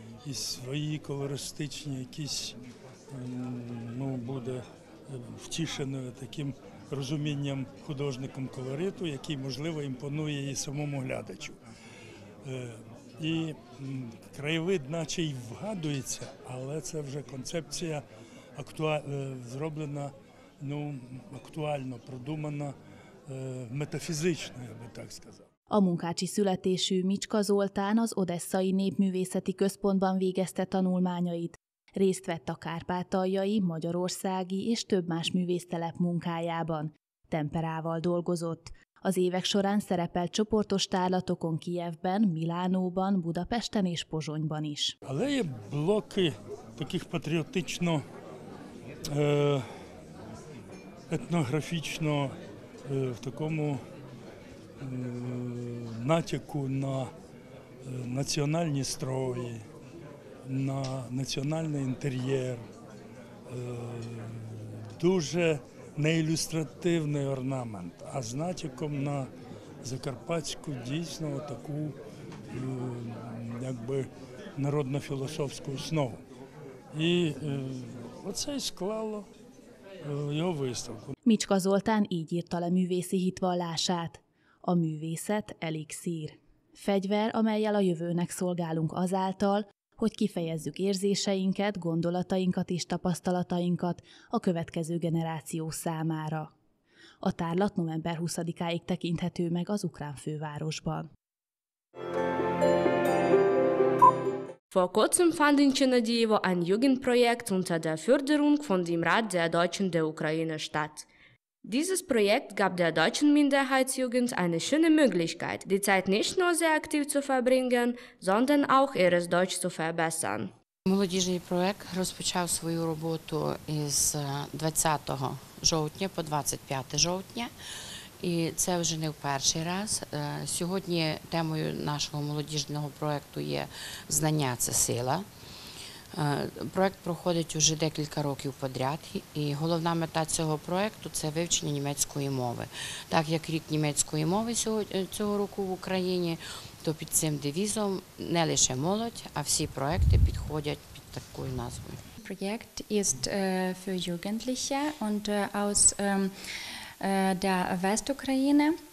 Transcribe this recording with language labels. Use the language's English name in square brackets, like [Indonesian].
[Ukrainian] якісь свої колористичні, якісь, ну, буде втішеною таким розумінням художником колориту, який, можливо, імпонує і самому глядачу. І краєвид наче й вгадується, але це вже концепція зроблена, ну, актуально, продумана, метафізично, я би так сказав. [Hungarian] A munkácsi születésű Micska Zoltán az Odesszai Népművészeti Központban végezte tanulmányait. Részt vett a kárpátaljai, magyarországi és több más művésztelep munkájában. Temperával dolgozott. Az évek során szerepelt csoportos tárlatokon Kijevben, Milánóban, Budapesten és Pozsonyban is. [Ukrainian] A leje bloki, takich patriotično, etnografično, v takomu натяку на національні строї, на національний інтер'єр. Дуже неілюстративний орнамент, а з натяком на закарпатську дійсно таку якби народно-філософську основу. І оце й склало його виставку. [Hungarian] Micska Zoltán így írta le művészi hitvallását. A művészet elixír. Fegyver, amellyel a jövőnek szolgálunk azáltal, hogy kifejezzük érzéseinket, gondolatainkat és tapasztalatainkat a következő generáció számára. A tárlat november 20-áig tekinthető meg az ukrán fővárosban. [German] Vor kurzem fand in Chernihiv ein Jugendprojekt unter der Förderung von dem Rat der Deutschen der Ukraine statt. Dieses Projekt gab der deutschen Minderheitsjugend eine schöne Möglichkeit, die Zeit nicht nur sehr aktiv zu verbringen, sondern auch ihres Deutsch zu verbessern. [Ukrainian] Молодіжний проект розпочав свою роботу із 20 жовтня по 25 жовтня. І це вже не в перший раз. Сьогодні темою нашого молодіжного проекту є «Знання – це сила». Проєкт проходить уже декілька років підряд, і головна мета цього проєкту – це вивчення німецької мови. Так як рік німецької мови цього року в Україні, то під цим девізом не лише молодь, а всі проєкти підходять під такою назвою. Проєкт є [German] für Jugendliche und aus der Westukraine.